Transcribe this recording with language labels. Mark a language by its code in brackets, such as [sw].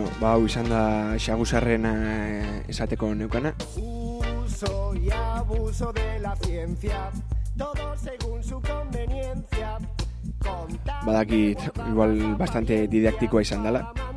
[eu] Hau izan da xaguzarren esateko neukana. [es] Uso y abuso de la ciencia, todo según su conveniencia. [eu] Badakit, igual bastante didaktikoa izan dela.